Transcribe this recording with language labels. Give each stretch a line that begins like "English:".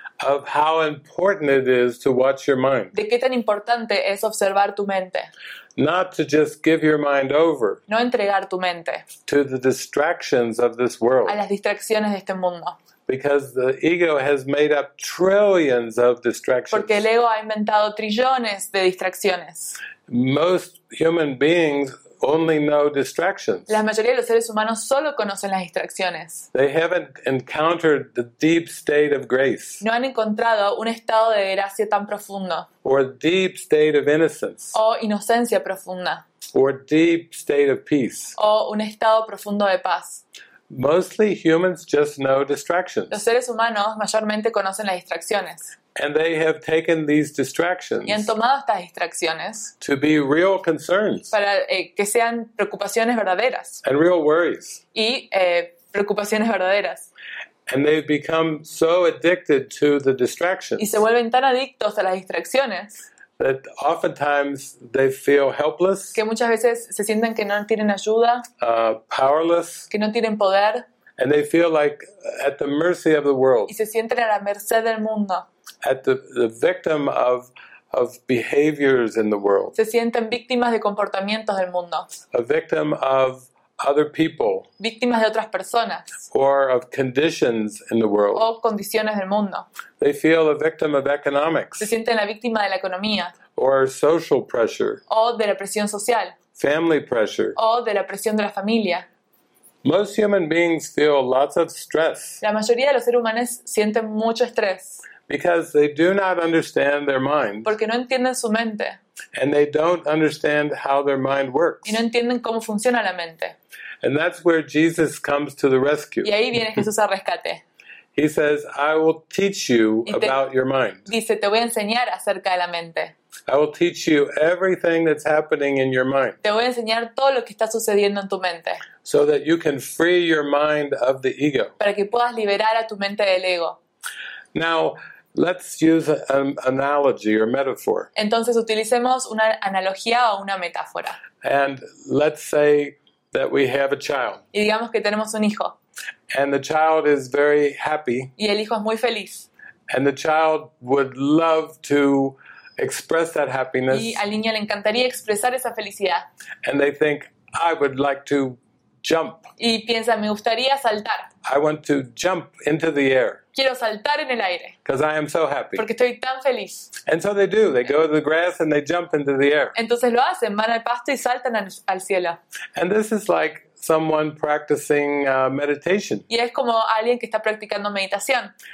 English: Of how important it is to watch your mind.
Spanish: De qué tan importante es observar tu mente.
English: Not to just give your mind over.
Spanish: No entregar tu mente.
English: To the distractions of this world.
Spanish: A las distracciones de este mundo.
English: Because the ego has made up trillions of distractions.
Spanish: Porque el ego ha inventado trillones de distracciones.
English: Most human beings only know distractions.
Spanish: La mayoría de los seres humanos solo conocen las distracciones.
English: They haven't encountered the deep state of grace.
Spanish: No han encontrado un estado de gracia tan profundo.
English: Or deep state of innocence.
Spanish: O inocencia profunda.
English: Or deep state of peace.
Spanish: O un estado profundo de paz.
English: Mostly humans just know distractions.
Spanish: Los seres humanos mayormente conocen las distracciones.
English: And they have taken these distractions.
Spanish: Y han tomado estas distracciones.
English: To be real concerns.
Spanish: Para que sean preocupaciones verdaderas.
English: And real worries.
Spanish: Y preocupaciones verdaderas.
English: And they've become so addicted to the distractions.
Spanish: Y se vuelven tan adictos a las distracciones.
English: That oftentimes they feel helpless.
Spanish: Que muchas veces se sienten que no tienen ayuda.
English: Powerless.
Spanish: Que no tienen poder.
English: And they feel like at the mercy of the world.
Spanish: Y se sienten a la merced del mundo.
English: At the victim of behaviors in the world.
Spanish: Se sienten víctimas de comportamientos del mundo.
English: A victim of other people.
Spanish: Víctimas de otras personas.
English: Or of conditions in the world.
Spanish: O condiciones del mundo.
English: They feel a victim of economics.
Spanish: Se sienten la víctima de la economía.
English: Or social pressure.
Spanish: O de la presión social.
English: Family pressure.
Spanish: O de la presión de la familia.
English: Most human beings feel lots of stress.
Spanish: La mayoría de los seres humanos sienten mucho estrés.
English: Because they do not understand their mind.
Spanish: Porque no entienden su mente.
English: And they don't understand how their mind works.
Spanish: Y no entienden cómo funciona la mente.
English: And that's where Jesus comes to the rescue.
Spanish: Y ahí viene Jesús al rescate.
English: He says, "I will teach you about your mind."
Spanish: Dice, "Te voy a enseñar acerca de la mente."
English: I will teach you everything that's happening in your mind.
Spanish: Te voy a enseñar todo lo que está sucediendo en tu mente.
English: So that you can free your mind of the ego.
Spanish: Para que puedas liberar a tu mente del ego.
English: Now, let's use an analogy or metaphor.
Spanish: Entonces utilicemos una analogía o una metáfora.
English: And let's say that we have a child.
Spanish: Y digamos que tenemos un hijo.
English: And the child is very happy.
Spanish: Y el hijo es muy feliz.
English: And the child would love to express that happiness.
Spanish: Y al niño le encantaría expresar esa felicidad.
English: And they think, "I would like to jump."
Spanish: Y piensa, me gustaría saltar.
English: "I want to jump into the air."
Spanish: Quiero saltar en el aire.
English: Because I am so happy.
Spanish: Porque estoy tan feliz.
English: And so they do. They go to the grass and they jump into the air.
Spanish: Entonces lo hacen, van al pasto y saltan al cielo.
English: And this is like someone practicing meditation.
Spanish: Y es como alguien que está practicando meditación.